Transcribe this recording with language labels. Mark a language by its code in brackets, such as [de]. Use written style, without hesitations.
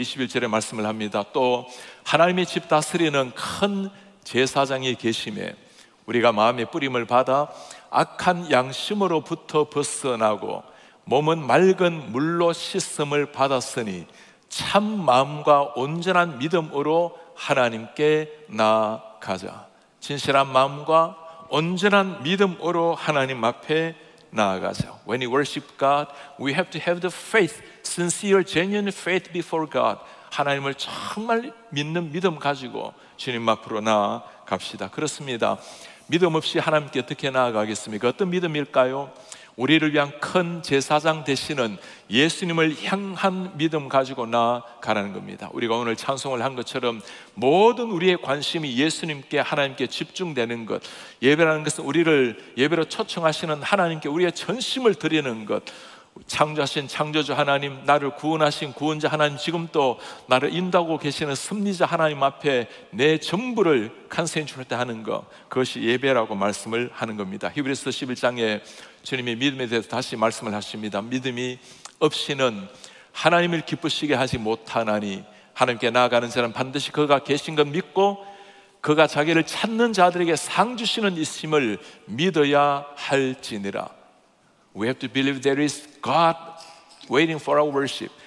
[ko] 21절에 말씀을 합니다. 또 하나님의 집 다스리는 큰 제사장이 계심에 우리가 마음의 뿌림을 받아 악한 양심으로부터 벗어나고 몸은 맑은 물로 씻음을 받았으니 참 마음과 온전한 믿음으로 하나님께 나아가자. 진실한 마음과 온전한 믿음으로 하나님 앞에 나아가자. [en] When you worship God, we have to have the faith, sincere, genuine faith before God. [ko] 하나님을 정말 믿는 믿음 가지고 주님 앞으로 나아갑시다. 그렇습니다. 믿음 없이 하나님께 어떻게 나아가겠습니까? 어떤 믿음일까요? 우리를 위한 큰 제사장 되시는 예수님을 향한 믿음 가지고 나아가라는 겁니다. 우리가 오늘 찬송을 한 것처럼 모든 우리의 관심이 예수님께 하나님께 집중되는 것, 예배라는 것은 우리를 예배로 초청하시는 하나님께 우리의 전심을 드리는 것, 창조하신 창조주 하나님, 나를 구원하신 구원자 하나님, 지금도 나를 인도하고 계시는 섭리자 하나님 앞에 내 전부를 간사인 줄 때 하는 것, 그것이 예배라고 말씀을 하는 겁니다. 히브리서 11장에 주님이 믿음에 대해서 다시 말씀을 하십니다. 믿음이 없이는 하나님을 기쁘시게 하지 못하나니 하나님께 나아가는 자는 반드시 그가 계신 것 믿고 그가 자기를 찾는 자들에게 상 주시는 이심을 믿어야 할지니라. [en] We have to believe there is God waiting for our worship.